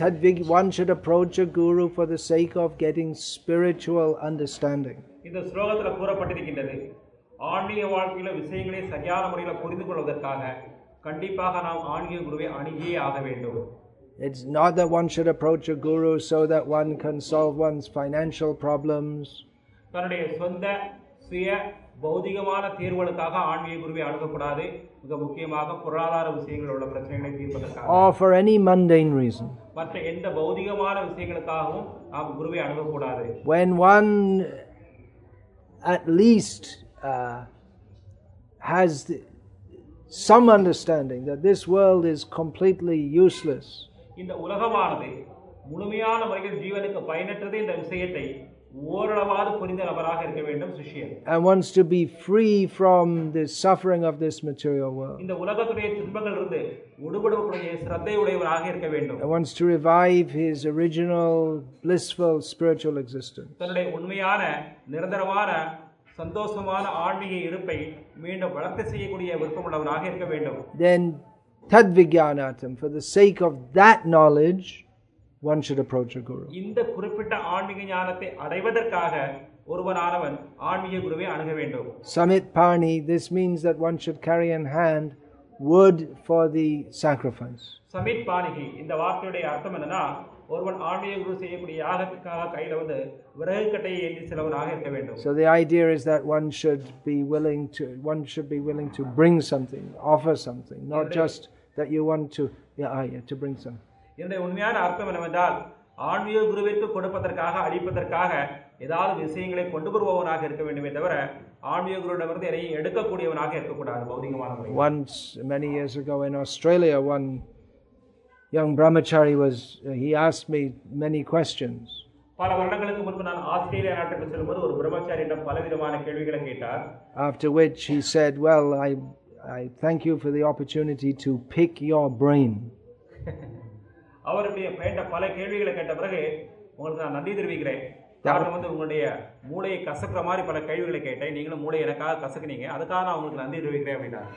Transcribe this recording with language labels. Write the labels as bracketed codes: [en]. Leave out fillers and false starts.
[en] One should approach a guru for the sake of getting spiritual understanding. [ta] இந்த ஸ்லோகத்தில் கூறப்பட்டிருக்கின்றது ஆன்மீக வாழ்க்கையில விஷயங்களை சரியான முறையில் புரிந்து கொள்வதற்காக கண்டிப்பாக நாம் ஆன்மீக குருவை அணுகியே ஆக வேண்டும். [en] It's not that one should approach a guru so that one can solve one's financial problems. [ta] தன்னுடைய சொந்த சுய பௌதிகமான தீர்வுகளுக்காக ஆன்மீக குருவை அணுகக்கூடாது. மிக முக்கியமாக பொருளாதார விஷயங்களில் உள்ள பிரச்சனைகளை தீர்ப்பதற்காக [en] or for any mundane reason. [ta] மற்ற எந்த பௌதிகமான விஷயங்களுக்காகவும் நாம் குருவை அணுகக்கூடாது. [en] When one at least has some understanding that this world is completely useless. [ta] இந்த உலகமானது முழுமையான முறையில் ஜீவனுக்கு பயனற்றது என்ற விஷயத்தை ஓரளவாவது புரிந்த நபராக இருக்க வேண்டும் சிஷ்யன். [en] And wants to be free from the suffering of this material world. [ta] இந்த உலகத்துடைய துன்பங்கள் இருந்து விடுபடக்கூடிய ஸ்ரத்தையுடையவராக இருக்க வேண்டும். [en] And wants to revive his original blissful spiritual existence. [ta] தன்னுடைய உண்மையான நிரந்தரமான சந்தோஷமான ஆன்மீக இருப்பை மீண்டும் வளர்த்து செய்யக்கூடிய விருப்பமுள்ளவராக இருக்க வேண்டும். [en] Then tad vijnanatam, for the sake of that knowledge one should approach a guru. [ta] இந்த குறிப்பிட்ட ஆன்மீக ஞானத்தை அடைவதற்காக ஒருவனானவன் ஆன்மீக குருவை அணுக வேண்டும். [en] Samit pani, this means that one should carry in hand wood for the sacrifice. [ta] Samit pani ki இந்த வார்த்தையுடைய அர்த்தம் என்னன்னா ஒருவன் ஆன்மீக குரு செய்யக்கூடிய யாகத்துக்காக கையில வந்து விறகு கட்டையை ஏந்தி செல்வனாக இருக்க வேண்டும். [en] So the idea is that one should be willing to bring something, offer something, not just that you want to to bring some. [ta] என்னுடைய உண்மையான அர்த்தம் என்னவென்றால் ஆன்மீக குருவிற்கு கொடுப்பதற்காக அளிப்பதற்காக ஏதாவது விஷயங்களை கொண்டு வருபவனாக இருக்க வேண்டுமே தவிர ஆன்மீக குருவிடமிருந்து எதையும் எடுக்கக்கூடியவனாக இருக்கக்கூடாது பௌதிகமான. [en] Once many years ago in Australia, one young brahmachari he asked me many questions. [ta] பல வருடங்களுக்கு முன்பு நான் ஆஸ்திரேலியா நாட்டுக்கு செல்லும்போது ஒரு பிரம்மச்சாரியிடம் பலவிதமான கேள்விகளை கேட்டார். [en] After which he said, well, I thank you for the opportunity to pick your brain. [ta] அவருடைய பேட்ட பல கேள்விகளை கேட்ட பிறகு உங்களுக்கு நான் நன்றி தெரிவிக்கிறேன். காரணம் வந்து உங்களுடைய மூளையை கசக்கிற மாதிரி பல கேள்விகளை கேட்டேன், நீங்களும் மூளையை எனக்காக கசக்குனீங்க, அதுக்காக நான் உங்களுக்கு நன்றி தெரிவிக்கிறேன் அப்படின்னா.